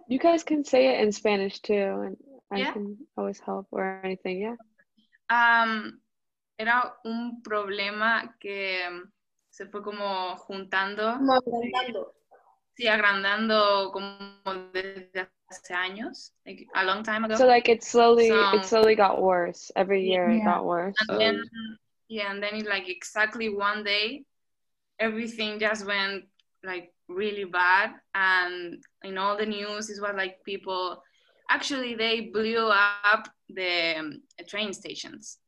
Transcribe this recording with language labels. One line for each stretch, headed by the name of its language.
English: You guys can say it in Spanish too, and I can always help or anything.
Spanish: Era un problema que se fue como juntando. Sí, agrandando como desde hace años,
English: like a long time ago. So like it slowly got worse. Every year it got worse. And then, and then it like exactly one day, everything just went like really bad. And in all the news, it was like people, actually they blew up the train stations.